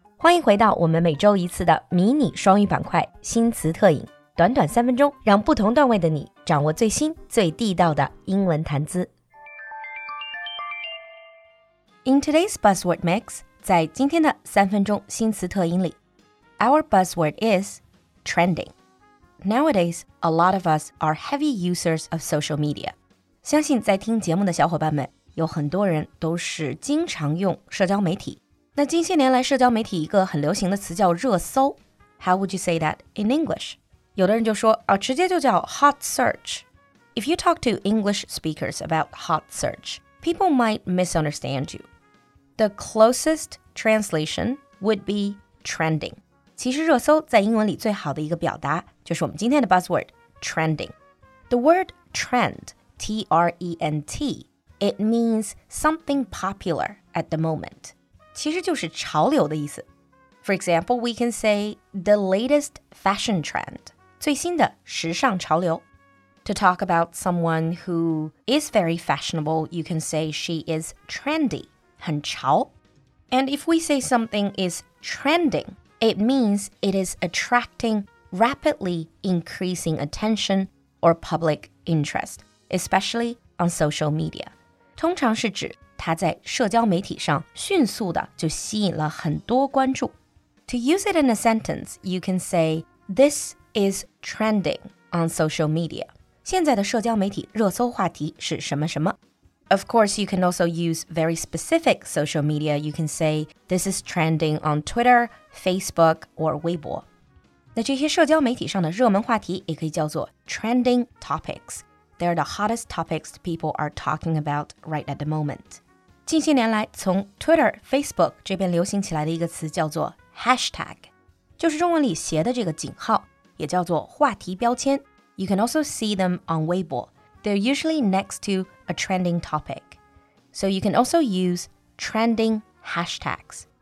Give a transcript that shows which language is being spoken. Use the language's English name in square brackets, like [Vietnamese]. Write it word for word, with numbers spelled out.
[Chinese] 欢迎回到我们每周一次的迷你双语板块新词特饮，短短三分钟，让不同段位的你掌握最新最地道的英文谈资。 [English] In today's Buzzword Mix, [Chinese] 在今天的三分钟新词特饮里 [English] Our buzzword is trending. Nowadays, a lot of us are heavy users of social media. [Chinese] 相信在听节目的小伙伴们有很多人都是经常用社交媒体。那近些年来社交媒体一个很流行的词叫热搜。 [English] How would you say that in English? [Chinese] 有的人就说啊，直接就叫 hot search. [English] If you talk to English speakers about hot search, people might misunderstand you. The closest translation would be trending. [Chinese] 其实热搜在英文里最好的一个表达就是我们今天的 buzzword, trending. [English] The word trend, T R E N T,It means something popular at the moment. [Chinese] 其实就是潮流的意思。 [English] For example, we can say the latest fashion trend. [Chinese] 最新的时尚潮流。 [English] To talk about someone who is very fashionable, you can say she is trendy. [Chinese] 很潮。 [English] And if we say something is trending, it means it is attracting rapidly increasing attention or public interest, especially on social media. [Chinese] 通常是指它在社交媒体上迅速的就吸引了很多关注。 [English] To use it in a sentence, you can say, This is trending on social media. [Chinese] 现在的社交媒体热搜话题是什么什么。 [English] Of course, you can also use very specific social media. You can say, This is trending on Twitter, Facebook, or Weibo. [Chinese] 那这些社交媒体上的热门话题也可以叫做 trending topics. [English] They're the hottest topics people are talking about right at the moment. [Chinese] 近些年来从 Twitter, Facebook 这边流行起来的一个词叫做 hashtag, 就是中文里写的这个井号，也叫做话题标签。 [English] You can also see them on Weibo. They're usually next to a trending topic. So you can also use trending hashtags.